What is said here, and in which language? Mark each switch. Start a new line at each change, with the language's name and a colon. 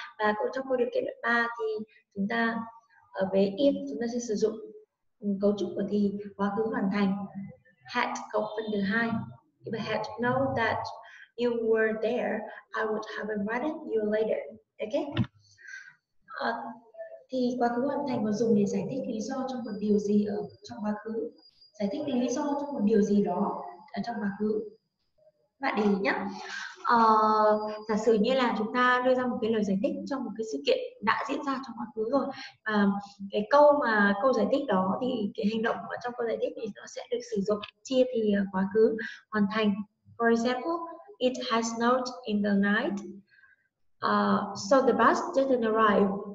Vietnamese: Và cũng trong câu điều kiện loại 3 thì chúng ta ở về if chúng ta sẽ sử dụng cấu trúc của thì quá khứ hoàn thành, had cộng phần thứ hai.
English: If I had known that you were there, I would have invited you later. Okay.
Vietnamese: Thì quá khứ hoàn thành mà dùng để giải thích lý do cho một điều gì ở trong quá khứ, giải thích lý do cho một điều gì đó ở trong quá khứ. Bạn để ý nhé, giả sử như là chúng ta đưa ra một cái lời giải thích cho một cái sự kiện đã diễn ra trong quá khứ rồi, và cái câu giải thích đó thì cái hành động ở trong câu giải thích thì nó sẽ được sử dụng chia thì quá khứ hoàn thành.
English: For example, it has snowed in the night, so the bus didn't arrive.